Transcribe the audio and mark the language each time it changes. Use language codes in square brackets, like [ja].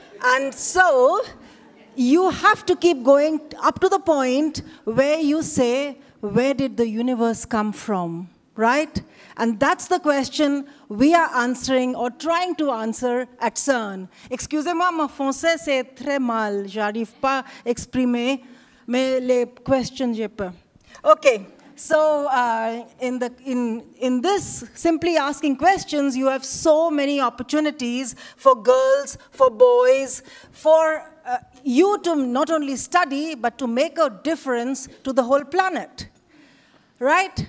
[en] And so you have to keep going up to the point where you say, where did the universe come from? Right? And that's the question we are answering or trying to answer at CERN. [fr] Excusez-moi, ma français c'est très mal. J'arrive pas à exprimer mais les questions j'ai peur. [en] Okay. So in this simply asking questions, you have so many opportunities for girls, for boys, for you to not only study but to make a difference to the whole planet. Right?